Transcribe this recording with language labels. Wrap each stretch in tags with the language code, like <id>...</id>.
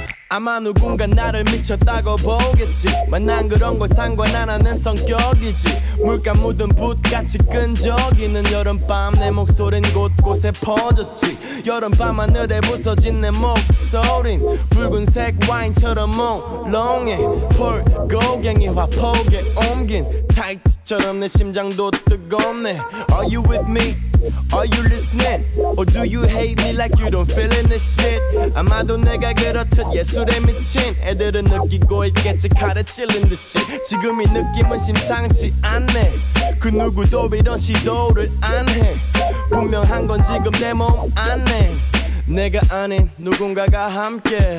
<ko>아마 누군가 나를 미쳤다고 보겠지 만난 그런 걸 상관 안 하는 성격이지 물감 묻은 붓같이 끈적이는 여름밤 내 목소린 곳곳에 퍼졌지 여름밤 하늘에 부서진 내 목소린 붉은색 와인처럼 몽롱해 폴 고갱이 화폭에 옮긴 타이트처럼 내 심장도 뜨겁네</ko> <en>Are you with me? Are you listening? Or do you hate me like you don't feel in this shit?</en> <ko>아마도 내가 그렇듯 예술에 미친 애들은 느끼고 있겠지 칼에 찔린 듯이 지금 이 느낌은 심상치 않네 그 누구도 이런 시도를 안 해 분명한 건 지금 내 몸 안에 내가 아닌 누군가가 함께</ko>